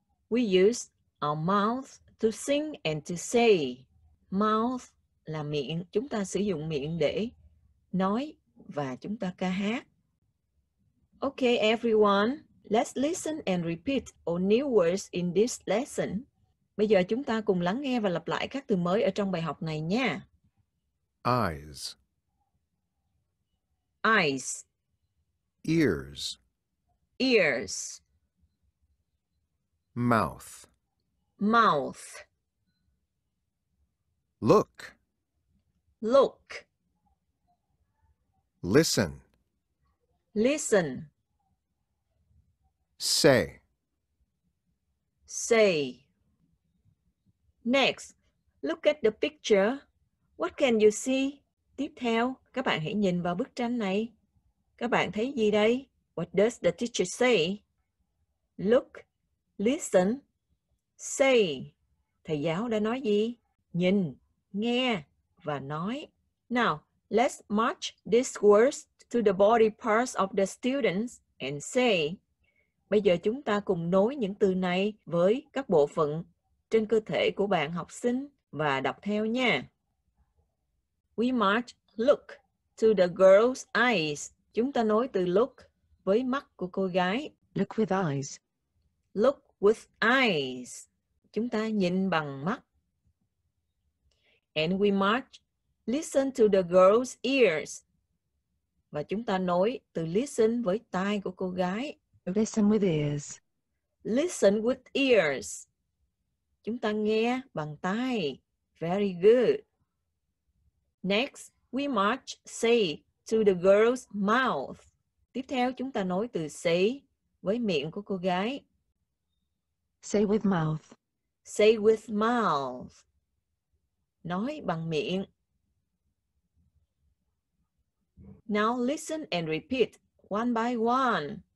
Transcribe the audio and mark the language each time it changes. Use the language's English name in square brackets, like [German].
[English] We use our mouth to sing and to say. [Vietnamese] Mouth là miệng, chúng ta sử dụng miệng để nói và chúng ta ca hát. [English] Okay everyone, let's listen and repeat all new words in this lesson. [Vietnamese] Bây giờ chúng ta cùng lắng nghe và lặp lại các từ mới ở trong bài học này nha. [English] Eyes. Eyes. Ears. Ears. Mouth. Mouth. Look. Look. Listen. Listen. Say. Say. Next, look at the picture. What can you see? [Vietnamese] Tiếp theo, các bạn hãy nhìn vào bức tranh này. Các bạn thấy gì đây? [English] What does the teacher say? Look, listen, say. [Vietnamese] Thầy giáo đã nói gì? Nhìn, nghe và nói. [English] Now, let's match these words to the body parts of the students and say. [Vietnamese] Bây giờ chúng ta cùng nối những từ này với các bộ phận trên cơ thể của bạn học sinh và đọc theo nha. [English] We match look to the girl's eyes. [Vietnamese] Chúng ta nối từ look với mắt của cô gái. [English] Look with eyes. Look with eyes. [Vietnamese] Chúng ta nhìn bằng mắt. [English] And we march listen to the girl's ears. [Vietnamese] Và chúng ta nối từ listen với tai của cô gái. [English] Listen with ears. Listen with ears. [Vietnamese] Chúng ta nghe bằng tai. [English] Very good. Next, we march say to the girl's mouth. [Vietnamese] Tiếp theo chúng ta nối từ say với miệng của cô gái. [English] Say with mouth. Say with mouth. [Vietnamese] Nói bằng miệng. [English] Now listen and repeat one by one.